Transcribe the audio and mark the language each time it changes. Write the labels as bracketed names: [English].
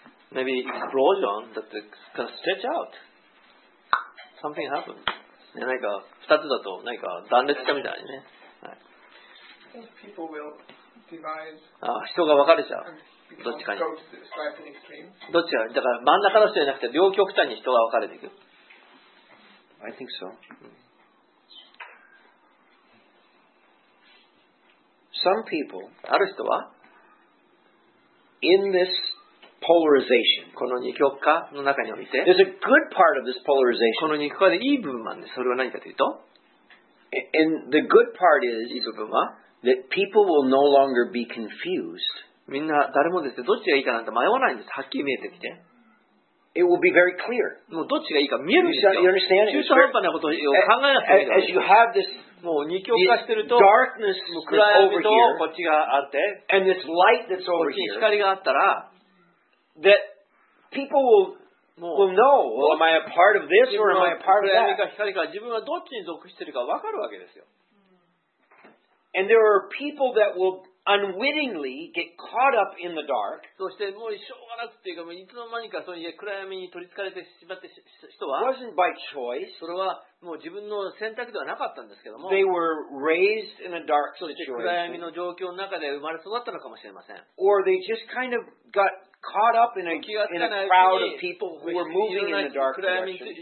[English] Maybe explosion that can stretch out. Something happened. [Japanese] 何か二つだと何か断裂したみたいにね。はい、 [English] people will devise. [Japanese] あ、人が分かれちゃう。どっちかに。どっちか。だから真ん中の人じゃなくて両極端に人が分かれていく。 [English] I think so. Some people. [Japanese] ある人は。 [English] In this. Polarization. [Japanese] この二極化の中において、 [English] There's a good part of this polarization. [Japanese] この二極化でいい部分もあるんです。それは何かというと、 [English] And the good part is, [Japanese] いい部分は、 [English] that people will no longer be confused. [Japanese] みんな誰もですね、どっちがいいかなんて迷わないんです。はっきり見えてきて、 [English] It will be very clear. [Japanese] もうどっちがいいか見えるんですよ。 [English] You understand? [Japanese] 中途半端なことを考えなくても、 [English] As you have this, [Japanese] もう二極化してると、 [English] darkness is over here. [Japanese] 暗闇とこっちがあって、 [English] And this light that's over here. [Japanese] こっち光があったら。 [English] That people will know. Well, am I a part of this or am I a part of that? [Japanese] 闇か光か自分はどっちに属してるか分かるわけですよ。 [English] And there are people that will unwittingly get caught up in the dark. [Japanese] そしてもうしょうがなくていうかもういつの間にかその暗闇に取りつかれてしまって人は。 [English] Wasn't by choice. [Japanese] それはもう自分の選択ではなかったんですけども。 [English] They were raised in a dark situation. [Japanese] そして暗闇の状況の中で生まれ育ったのかもしれません。 [English] Or they just kind of got caught up in a crowd of people who were moving in the dark direction.